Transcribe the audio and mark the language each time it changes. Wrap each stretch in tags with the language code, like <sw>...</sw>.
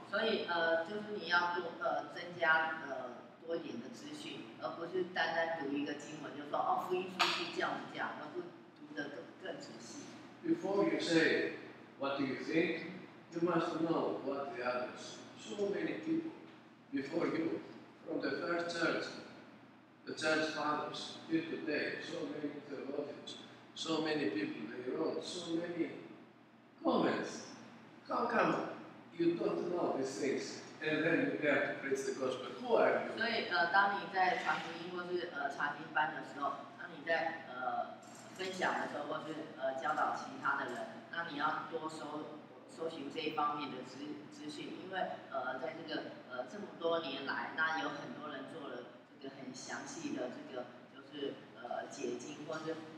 <zh>所以，就是你要增加多一点的资讯，而不是单单读一个经文就说哦，福音书是这样子讲，而不读得更仔细。</zh> <en>Before you say what do you think, you must know what the others. So many people before you, from the first church, the church fathers, till today, so many theologians, so many people they wrote, so many. Comments. How come you don't know these things, and then you dare to preach the gospel? Who are you?</en> <zh>所以，当你在传福音或是查经班的时候，当你在分享的时候或是教导其他的人，那你要多搜寻这一方面的资讯，因为在这个这么多年来，那有很多人做了这个很详细的这个就是解经或是。</zh>